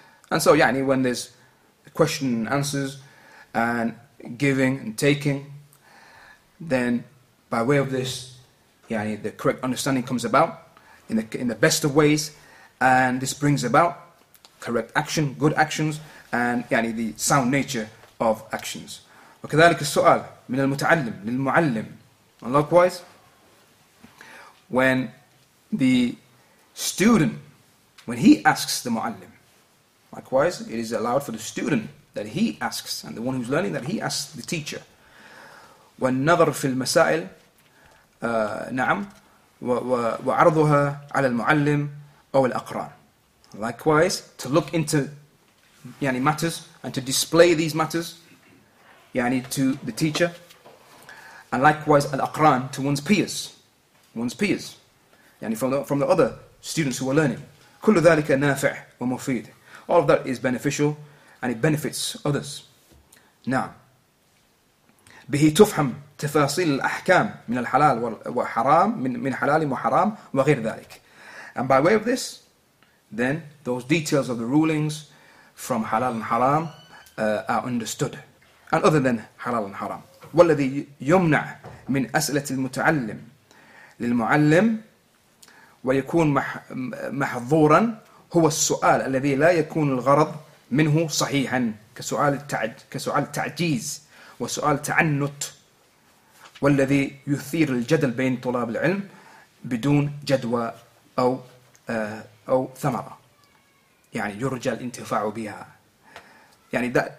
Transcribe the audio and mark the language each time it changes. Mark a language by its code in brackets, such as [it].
[en] And so, yani, when there's question and answers and giving and taking, then by way of this, yani, the correct understanding comes about in the best of ways, and this brings about correct action, good actions, and yani, the sound nature of actions. [ar] وكذلك السؤال من المتعلم للمعلم. [en] And likewise, when the student, when he asks the mu'allim, likewise, it is allowed for the student that he asks, and the one who's learning that he asks the teacher. [ar] والنظر في المسائل نعم وعرضها على المعلم أو الأقران. [en] Likewise, to look into [ar] يعني [en] matters and to display these matters يعني to the teacher, and likewise al-aqran to one's peers يعني from the other students who are learning. [ar] كل ذلك نافع ومفيد. [en] All of that is beneficial and it benefits others. [ar] نعم به تفهم تفاصيل الأحكام من الحلال وحرام من حلال وحرام وغير ذلك. [en] And by way of this, then those details of the rulings from halal and haram are understood, and other than halal and haram. [ar] والذي يمنع من أسئلة المتعلم للمعلم ويكون محظورا هو السؤال الذي لا يكون الغرض منه صحيحا كسؤال تعجيز وسؤال تعنت والذي يثير الجدل بين طلاب العلم بدون جدوى أو ثمرة يعني يرجى الانتفاع بها يعني